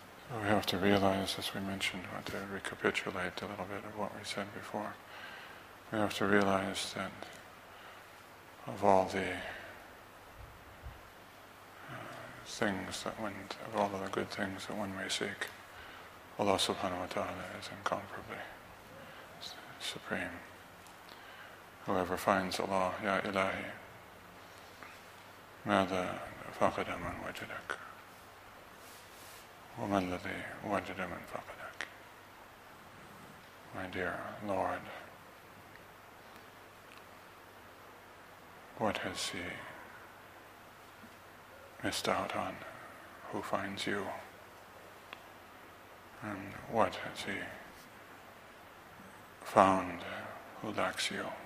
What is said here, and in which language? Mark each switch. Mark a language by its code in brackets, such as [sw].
[en] So we have to realize, as we mentioned, or to recapitulate a little bit of what we said before, we have to realize that of all the things that one, of all of the good things that one may seek, Allah subhanahu wa ta'ala is incomparably supreme. Whoever finds Allah, Ya Ilahi, [ar] ماذا فقد من وجدك ومن الذي وجد من فقدك. [en] My dear Lord, what has he missed out on who finds you? And what has he found who lacks you?